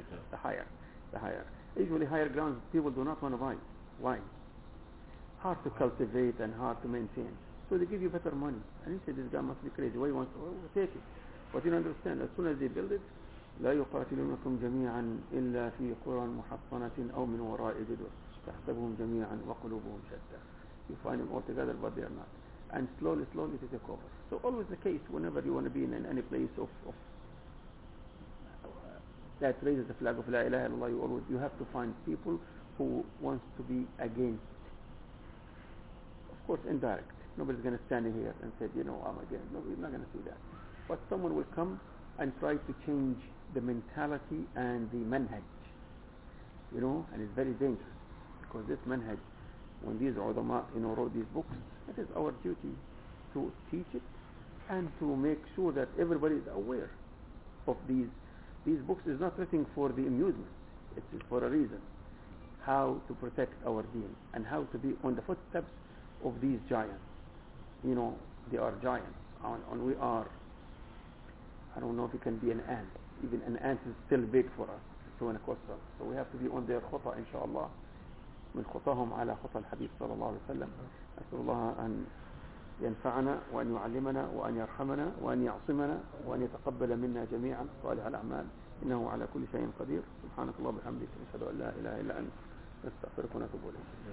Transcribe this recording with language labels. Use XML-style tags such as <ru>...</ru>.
<en>The higher. Usually higher grounds people do not want to buy. Why? Hard to cultivate and hard to maintain. So they give you better money. And you say, this guy must be crazy. Why he wants to? Oh, take it. But you understand, as soon as they build it,</en> <ar>لا يقاتلونكم جميعا إلا في قرى محصنة أو من وراء جدر تحسبهم جميعا وقلوبهم شتى.</ar> <en>You find them all together, but they are not. And slowly, slowly they take over. So always the case, whenever you want to be in any place of that raises the flag of La ilaha illallah, you have to find people who wants to be against. Of course, indirect. Nobody's going to stand here and say, you know, I'm against. No, we're not going to see that. But someone will come and try to change the mentality and the manhaj. You know, and it's very dangerous. Because this manhaj, when these ulama, you know, wrote these books, it is our duty to teach it and to make sure that everybody is aware of these. These books is not written for the amusement. It's for a reason. How to protect our deen and how to be on the footsteps of these giants. You know, they are giants. And we are, I don't know if it can be an ant. Even an ant is still big for us. So in a question. So we have to be on their khuta, inshallah.</en> <ar>من خطاهم على خطى الحبيب صلى الله عليه وسلم أسأل الله أن ينفعنا وأن يعلمنا وأن يرحمنا وأن يعصمنا وأن يتقبل منا جميعا صالح الأعمال إنه على كل شيء قدير سبحانك الله وبحمدك أشهد أن لا إله إلا أنت نستغفرك ونتوب إليك</ar>